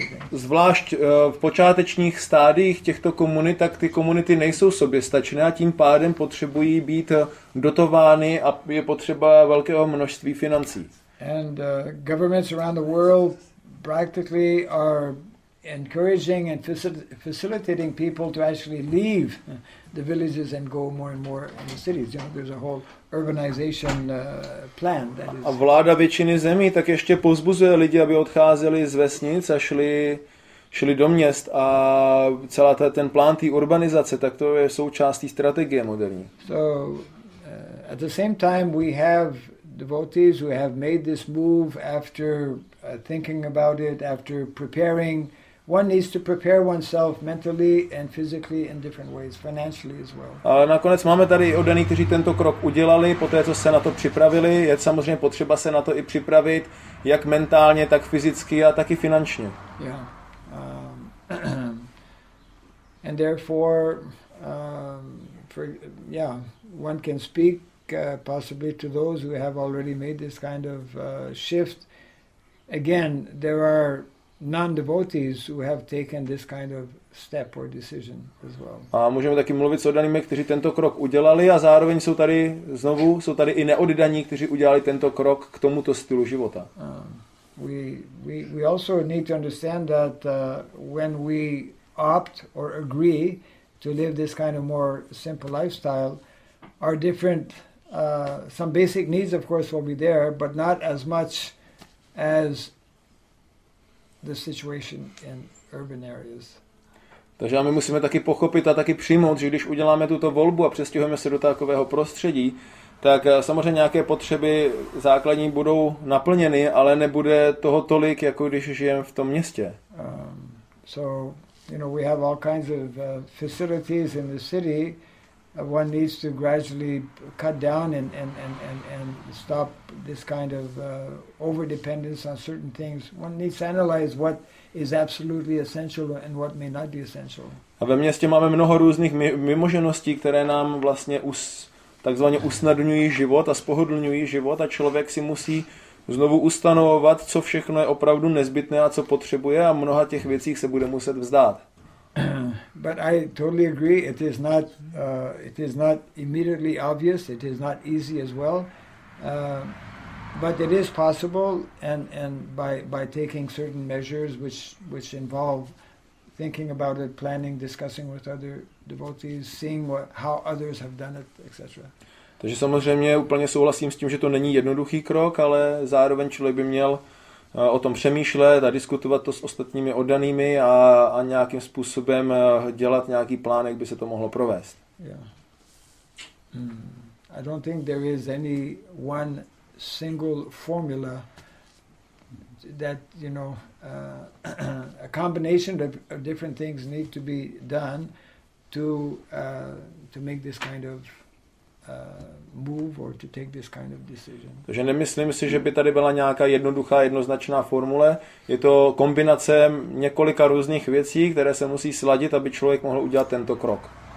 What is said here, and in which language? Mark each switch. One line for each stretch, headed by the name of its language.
Czech: Zvlášť v počátečních stádiích těchto komunit, tak ty komunity nejsou soběstačné a tím pádem potřebují být dotovány a je potřeba velkého množství financí.
English: And governments around the world practically are encouraging and facilitating people to actually leave the villages and go more and more in the cities. You know, there's a whole urbanization plan that is.
Czech: A vláda většiny zemí tak ještě pozbuzuje lidi, aby odcházeli z vesnic a šli do měst a celá ta, ten plán té urbanizace, tak to je součástí strategie moderní.
English: So, at the same time we have devotees who have made this move after thinking about it, after preparing. One needs to prepare oneself mentally and physically in different ways, financially as well.
Czech: A nakonec máme tady oddaní, kteří tento krok udělali, poté co se na to připravili, je samozřejmě potřeba se na to i připravit, jak mentálně, tak fyzicky a taky finančně.
English: Yeah. And therefore one can speak possibly to those who have already made this kind of shift. Again, there are non-devotees who have taken this kind of step or decision as well.
Czech: A můžeme taky mluvit s oddanými, kteří tento krok udělali, a zároveň jsou tady znovu, jsou tady i neoddaní, kteří udělali tento krok k tomuto stylu života.
English: We also need to understand that when we opt or agree to live this kind of more simple lifestyle, our different some basic needs of course will be there, but not as much as the situation in urban areas.
Czech: Takže my musíme taky pochopit a taky přijmout, že když uděláme tuto volbu a přestěhujeme se do takového prostředí, tak samozřejmě nějaké potřeby základní budou naplněny, ale nebude toho tolik, jako když žijeme v tom městě.
English: So, you know, we have all kinds of facilities in the city. One needs to gradually cut down and stop this kind of overdependence on certain things. One needs to analyze what is absolutely essential and what may not be essential.
Czech: A ve městě máme mnoho různých mimožeností, které nám vlastně takzvaně usnadňují život a spohodlňují život, a člověk si musí znovu ustanovovat, co všechno je opravdu nezbytné a co potřebuje, a mnoha těch věcí se bude muset vzdát.
English: But I totally agree, it is not immediately obvious, it is not easy as well, but it is possible, and by taking certain measures which involve thinking about it, planning, discussing with other devotees, seeing how others have done it, etc.
Czech: Takže samozřejmě úplně souhlasím s tím, že to není jednoduchý krok, ale zároveň člověk by měl o tom přemýšlet a diskutovat to s ostatními oddanými a nějakým způsobem dělat nějaký plán, jak by se to mohlo provést.
English: Yeah. I don't think there is any one single formula that, you know, a combination of different things need to be done to make this kind of move or to take this kind of decision.
Czech: Takže nemyslím si, že by tady byla nějaká jednoduchá, jednoznačná formule. Je to kombinace několika různých věcí, které se musí sladit, aby člověk mohl udělat tento krok.